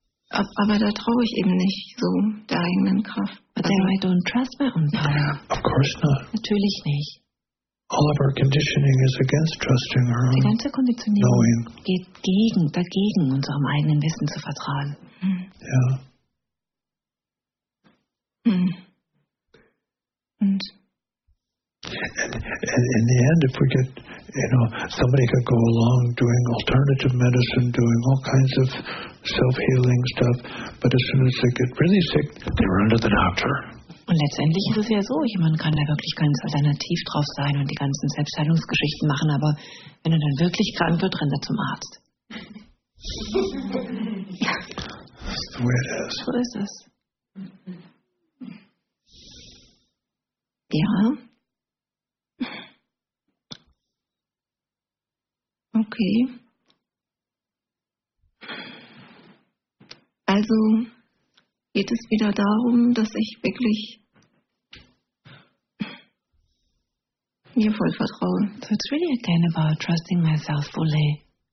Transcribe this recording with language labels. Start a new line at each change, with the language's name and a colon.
German: Aber da traue ich eben nicht so der eigenen Kraft.
English: But then I don't trust my own power. Of course not.
German: Natürlich nicht.
English: All of our conditioning is against trusting our own knowing.
German: Geht dagegen, unserem eigenen Wissen zu vertrauen.
English: Yeah.
German: Und
English: In the end, if we get, you know, somebody could go along doing alternative medicine, doing all kinds of self-healing stuff, but as soon as they get really sick, they run to the doctor.
German: Und letztendlich ist es ja so, jemand kann da wirklich ganz alternativ drauf sein und die ganzen Selbstheilungsgeschichten machen, aber wenn er dann wirklich krank wird, rennt er zum Arzt.
English: That's the way it is.
German: So ist es. Ja.
English: Okay.
German: Also geht es wieder darum, dass ich wirklich mir voll vertraue.
English: So it's really again about trusting myself fully.